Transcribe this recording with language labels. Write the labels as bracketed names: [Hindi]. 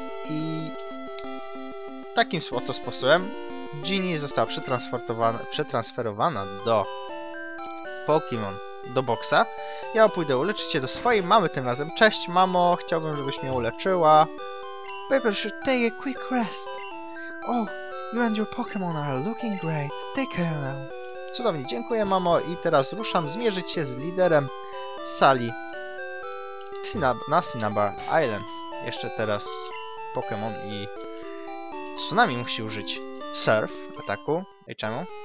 [Polish] I takim oto sposobem Jean została przetransferowana do Pokémon, do boksa. Ja pójdę uleczyć się do swojej mamy tym razem. Cześć mamo, chciałbym, żebyś mnie uleczyła. [English] Paper should take a quick rest. Oh, you and your Pokémon are looking great. Take care now. [Polish] Cudownie, dziękuję mamo i teraz ruszam zmierzyć się z liderem sali na Cinnabar Island. Jeszcze teraz Pokémon i Tsunami musi użyć Surf ataku. I czemu?